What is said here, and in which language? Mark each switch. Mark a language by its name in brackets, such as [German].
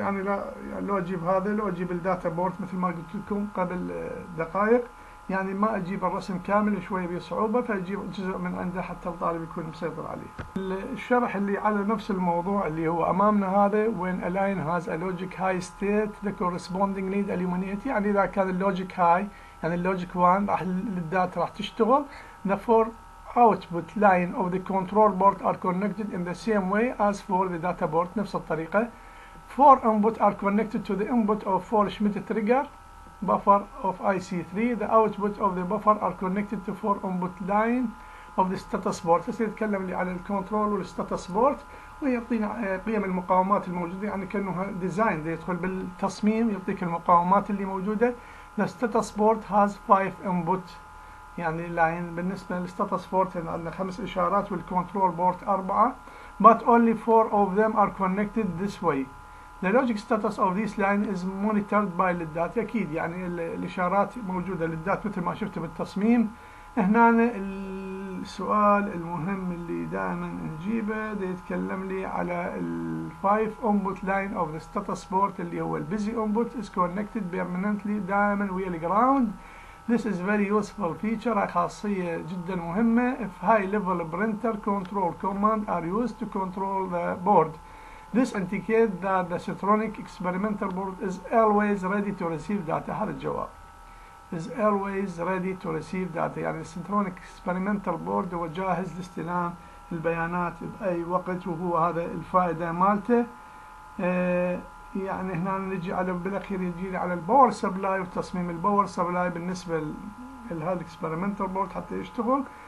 [Arabic] يعني لو أجيب هذا لو أجيب الداتا بورد مثل ما قلت لكم قبل دقائق، يعني ما أجيب الرسم كامل شوية بصعوبة فأجيب جزء من عنده حتى الطالب يكون مسيطر عليه. الشرح اللي على نفس الموضوع اللي هو أمامنا هذا [English] when a line has a logic high state the corresponding lead illuminate، [Arabic] يعني إذا كان اللوجيك هاي يعني اللوجيك 1 راح الداتا راح تشتغل. [English] the four output line of the control board are connected in the same way as for the data board، [Arabic] نفس الطريقة [English] four input are connected to the input of four Schmitt trigger buffer of IC3. The output of the buffer are connected to four input line of the status board. [Arabic] هسه يتكلم لي على الكنترول والستاتس بورد ويعطينا قيم المقاومات الموجوده، يعني كانه ديزاين يدخل بالتصميم يعطيك المقاومات اللي موجوده. [English] The status board has five input يعني line. [Arabic] بالنسبه للستاتس بورد عندنا خمس اشارات والكنترول بورد اربعه. [English] But only four of them are connected this way. The logic status of this line is monitored by the LEDs. [Arabic] أكيد يعني الإشارات موجودة LEDs مثل ما شفت بالتصميم. هنا السؤال المهم اللي دائما نجيبه ده يتكلم لي على [English] five input line of the status port [Arabic] اللي هو [English] the busy input is connected permanently [Arabic] دائما ويا الجراوند. [English] This is very useful feature، [Arabic] خاصية جدا مهمة. [English] If high level printer control command are used to control the board. This indicates that the Citronic experimental board is always ready to receive data. [Arabic] هذا الجواب. [English] Is always ready to receive data. [Arabic] يعني Citronic experimental board هو جاهز لاستلام البيانات بأي وقت، وهو هذا الفائدة مالته. يعني هنا نجي على بالأخير يجي على الباور سبلاي وتصميم الباور سبلاي بالنسبة لهذا الاكسبيرمنتال بورد حتى يشتغل.